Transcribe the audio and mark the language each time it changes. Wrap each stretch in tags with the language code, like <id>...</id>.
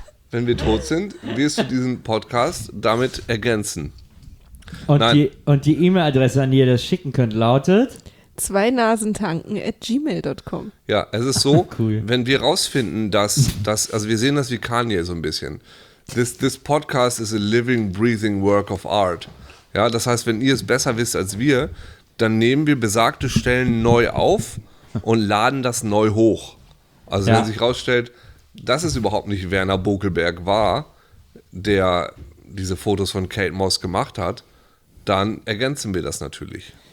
<de>wenn wir tot sind, wirst du diesen Podcast damit ergänzen. Und die E-Mail-Adresse, an die ihr das schicken könnt, lautet? zweinasentanken@gmail.com. Ja, es ist so, cool. Wenn wir rausfinden, dass, also wir sehen das wie Kanye so ein bisschen.</de> <en>This podcast is a living, breathing work of art.</en> <de>Ja, das heißt, wenn ihr es besser wisst als wir, dann nehmen wir besagte Stellen neu auf und laden das neu hoch. Also wenn sich rausstellt, dass es überhaupt nicht Werner Bokelberg war, der diese Fotos von Kate Moss gemacht hat, dann ergänzen wir das natürlich.</de>